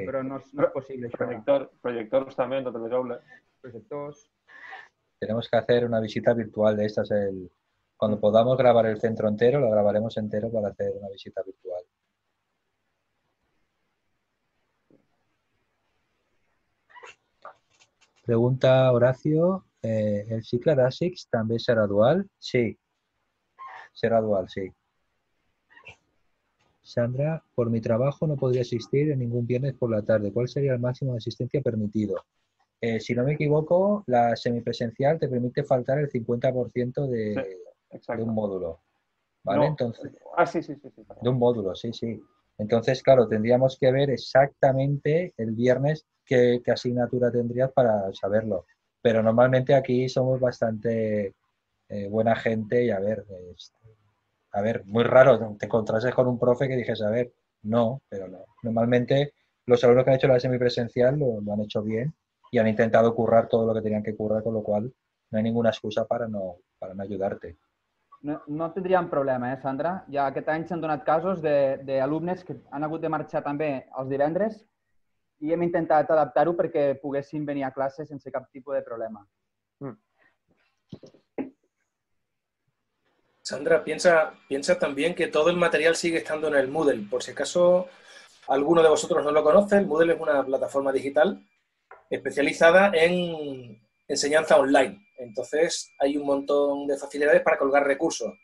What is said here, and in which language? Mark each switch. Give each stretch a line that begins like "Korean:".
Catalan: Però no és possible això. Projectors també en totes les aules. Projectors.
Spanish: Tenemos que hacer una visita virtual de estas. Cuando podamos grabar el centro entero, lo grabaremos entero para hacer una visita virtual.
Catalan: Pregunta Horacio, ¿el cicle d'ASICS també serà dual?
Spanish: Sí. Será dual, sí. Sandra, por mi trabajo no podría asistir en ningún viernes por la tarde. ¿Cuál sería el máximo de asistencia permitido? Si no me equivoco, la semipresencial te permite faltar el 50% de un módulo. ¿Vale? No. Entonces, sí. De un módulo, sí. Entonces, claro, tendríamos que ver exactamente el viernes qué asignatura tendrías para saberlo. Pero normalmente aquí somos bastante buena gente y a ver, muy raro, te encontrases con un profe que dijese, a ver, no, pero no. Normalmente los alumnos que han hecho la semipresencial lo han hecho bien y han intentado currar todo lo que tenían que currar, con lo cual no hay ninguna excusa para no ayudarte. No, no tendrían problema, Sandra. Ya que
Catalan: aquest any s'han donat casos de alumnes que han hagut de marxar també els divendres y hem intentat adaptar-ho perquè poguessin venir a classe sense cap tipus de problema.
Spanish: Sandra, piensa también que todo el material sigue estando en el Moodle. Por si acaso alguno de vosotros no lo conoce, el Moodle es una plataforma digital especializada en enseñanza online. Entonces, hay un montón de facilidades para colgar recursos.